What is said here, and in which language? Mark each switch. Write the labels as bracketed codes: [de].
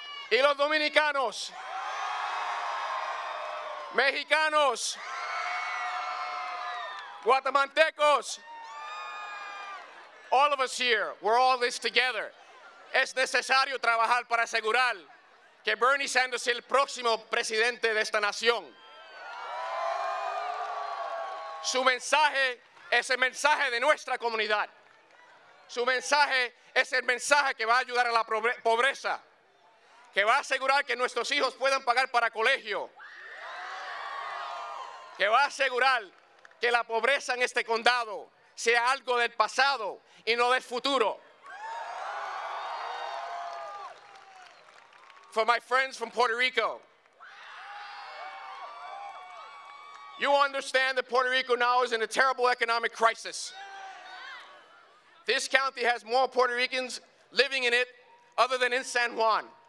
[es] Y los Dominicanos. [en] Mexicanos, Guatemaltecos, all of us here, we're all this together. [es] Es necesario trabajar para asegurar que Bernie Sanders sea el próximo presidente de esta nación. Su mensaje es el mensaje de nuestra comunidad. Su mensaje es el mensaje que va a ayudar a la pobreza, que va a asegurar que nuestros hijos puedan pagar para colegio, que va a asegurar que la pobreza en este condado sea algo del pasado y no del futuro. [en] For my friends from Puerto Rico, you understand that Puerto Rico now is in a terrible economic crisis. This county has more Puerto Ricans living in it other than in San Juan.